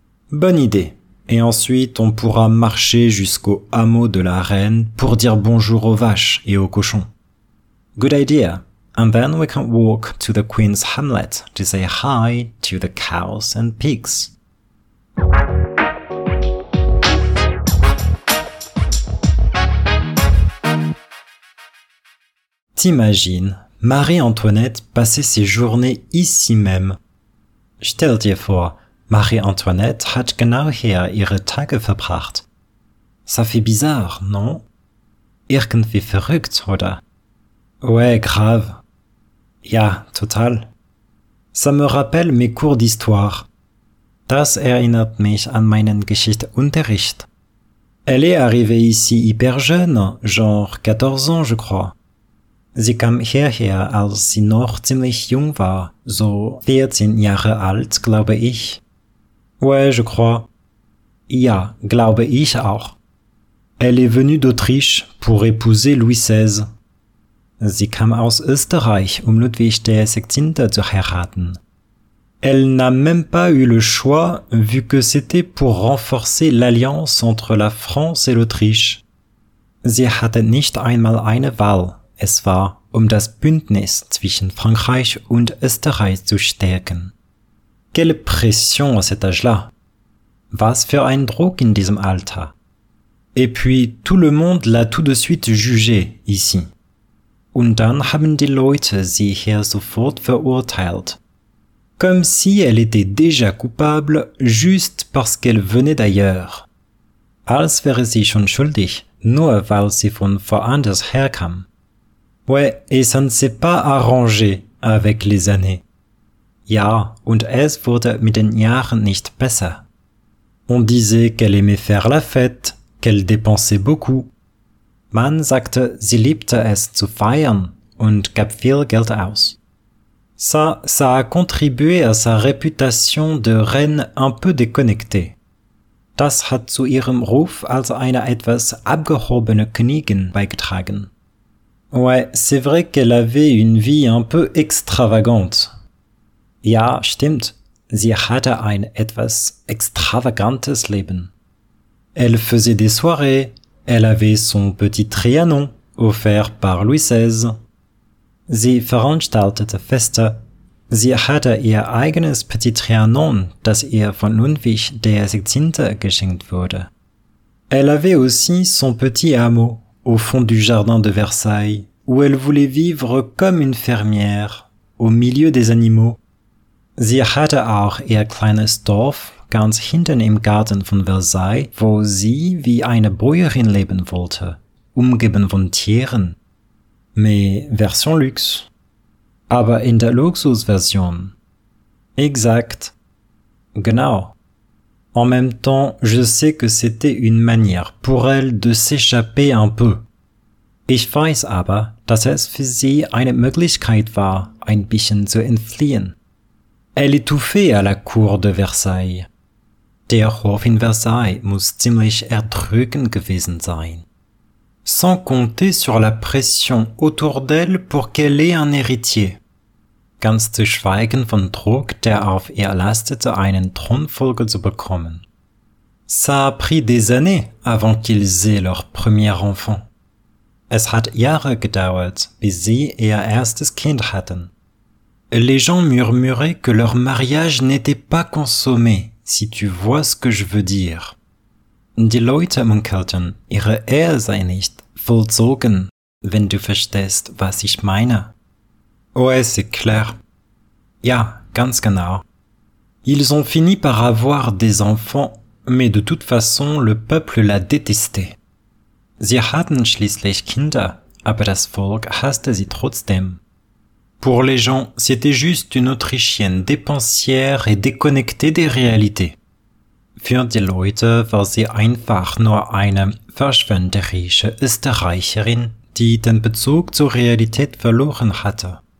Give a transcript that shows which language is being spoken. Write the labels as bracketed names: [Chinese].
[French] Bonne idée. Et ensuite, on pourra marcher jusqu'au hameau de la reine pour dire bonjour aux vaches et aux cochons. [English] Good idea. And then we can walk to the queen's hamlet to say hi to the cows and pigs. [French] T'imagines, Marie-Antoinette passait ses journées ici même. [German] Stell dir vor, Marie-Antoinette hat genau hier ihre Tage verbracht. [French] Ça fait bizarre, non? [German] Irgendwie verrückt, oder? [French] Ouais, grave. [German] Ja, total. [French] Ça me rappelle mes cours d'histoire. [German] Das erinnert mich an meinen Geschichtsunterricht. [French] Elle est arrivée ici hyper jeune, genre 14 ans, je crois. [German] Sie kam hierher, als sie noch ziemlich jung war, so 14 Jahre alt, glaube ich. [French] Ouais, je crois. [German] Ja, glaube ich auch. [French] Elle est venue d'Autriche pour épouser Louis XVI. [German] Sie kam aus Österreich, um Ludwig der 16. zu heiraten. [French] Elle n'a même pas eu le choix, vu que c'était pour renforcer l'alliance entre la France et l'Autriche. [German] Sie hatte nicht einmal eine Wahl. Es war, um das Bündnis zwischen Frankreich und Österreich zu stärken. [French] Quelle pression à cet âge-là! [German] Was für ein Druck in diesem Alter! [French] Et puis, tout le monde l'a tout de suite jugé, ici. [German] Und dann haben die Leute sie hier sofort verurteilt. [French] Comme si elle était déjà coupable, juste parce qu'elle venait d'ailleurs. [German] Als wäre sie schon schuldig, nur weil sie von woanders herkam. [French] Ouais, et ça ne s'est pas arrangé avec les années. [German] Ja, und es wurde mit den Jahren nicht besser. [French] On disait qu'elle aimait faire la fête, qu'elle dépensait beaucoup. [German] Man sagte, sie liebte es zu feiern und gab viel Geld aus. [French] Ça a contribué à sa réputation de reine un peu déconnectée. [German] Das hat zu ihrem Ruf als eine etwas abgehobene Königin beigetragen. [French] Ouais, c'est vrai qu'elle avait une vie un peu extravagante. [German] Ja, stimmt. Sie hatte ein etwas extravagantes Leben. [French] Elle faisait des soirées. Elle avait son petit Trianon, offert par Louis XVI. [German] Sie veranstaltete Feste. Sie hatte ihr eigenes Petit Trianon, das ihr von Ludwig der 16. Geschenkt wurde. [French] Elle avait aussi son petit hameau, au fond du jardin de Versailles, où elle voulait vivre comme une fermière, au milieu des animaux. [German] Sie hatte auch ihr kleines Dorf, ganz hinten im Garten von Versailles, wo sie wie eine Bäuerin leben wollte, umgeben von Tieren. [French] Mais version luxe. [German] Aber in der Luxusversion. [French] Exact. [German] Genau. [French] En même temps, je sais que c'était une manière pour elle de s'échapper un peu. [German] Ich weiß aber, dass es für sie eine Möglichkeit war, ein bisschen zu entfliehen. [French] Elle étouffait à la cour de Versailles. [German] Der Hof in Versailles muss ziemlich erdrückend gewesen sein. [French] Sans compter sur la pression autour d'elle pour qu'elle ait un héritier. [German] Ganz zu schweigen von Druck, der auf ihr lastete, einen Thronfolger zu bekommen. [French] Ça a pris des années avant qu'ils aient leur premier enfant. [German] Es hat Jahre gedauert, bis sie ihr erstes Kind hatten. [French] Les gens murmuraient que leur mariage n'était pas consommé, si tu vois ce que je veux dire. [German] Die Leute munkelten, ihre Ehe sei nicht vollzogen, wenn du verstehst, was ich meine. [French] Ouais, c'est clair. [German] Ja, ganz genau. [French] Ils ont fini par avoir des enfants, mais de toute façon, le peuple l'a détesté. [German] Sie hatten schließlich Kinder, aber das Volk hasste sie trotzdem. [French] Pour les gens, c'était juste une Autrichienne dépensière et déconnectée des réalités. [German] Für die Leute war sie einfach nur eine verschwenderische Österreicherin, die den Bezug zur Realität verloren hatte.